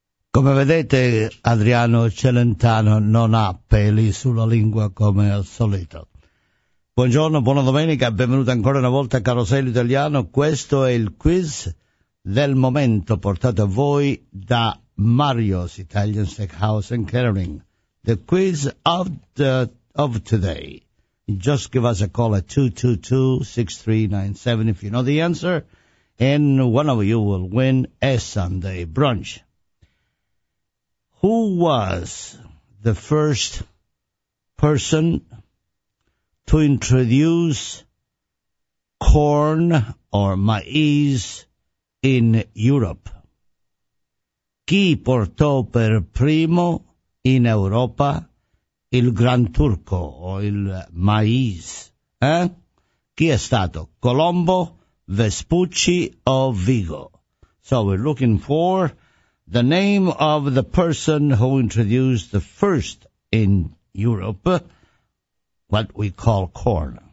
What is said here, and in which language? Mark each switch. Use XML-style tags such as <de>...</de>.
<it>Come vedete, Adriano Celentano non ha peli sulla lingua come al solito. Buongiorno, buona domenica, benvenuto ancora una volta a Carosello Italiano. Questo è il quiz del momento portato a voi da Mario's Italian Steakhouse and Catering.</it> <en>The quiz of the of today. Just give us a call at 222-6397 if you know the answer, and one of you will win a Sunday brunch. Who was the first person to introduce corn or maize in Europe?</en> <it>Chi portò per primo in Europa il Gran Turco o il mais, eh? Chi è stato? Colombo, Vespucci o Vigo?</it> <en>So we're looking for the name of the person who introduced the first in Europe what we call corn.</en>